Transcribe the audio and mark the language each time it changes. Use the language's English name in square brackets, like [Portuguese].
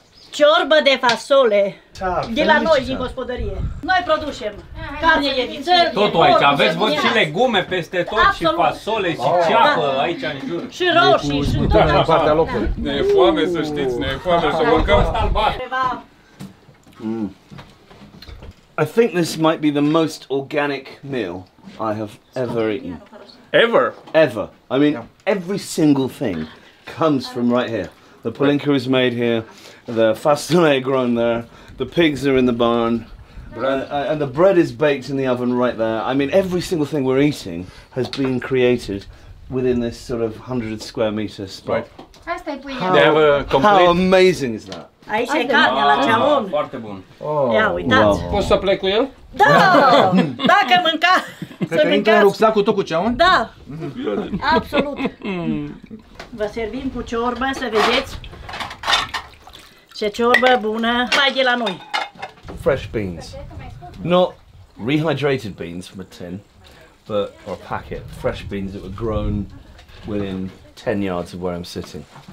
[Romanian] Ciorbă de fasole, de la noi, din gospodărie. Noi producem carne de vițel, totul aici, aveți voi și legume peste tot, absolut. Și fasole, și ceapă aici în jur. Și roșii, și tot așa. Partea locului. Ne e foame, să știți, ne e foame, să mâncăm stalbat. [English] I think this might be the most organic meal I have ever eaten. Ever? Ever. I mean, every single thing comes from right here. The polenka is made here. The fasole grown there, the pigs are in the barn, and the bread is baked in the oven right there. I mean, every single thing we're eating has been created within this sort of 100 square meter spot. Right. How amazing is that? [Romanian] Aici e carnea la cea bun. Foarte bun. Ia uitați. Wow. Poți să plec cu el? Da! Dacă mânca, să mâncați. Că intră în rucsacul tot cu cea bun? Da! Absolut! Vă servim cu ciorbă, să vedeți. Ce ciorbă bună, mai de la noi. [English] Fresh beans. Not rehydrated beans from a tin, but or a packet. Fresh beans that were grown within 10 yards of where I'm sitting.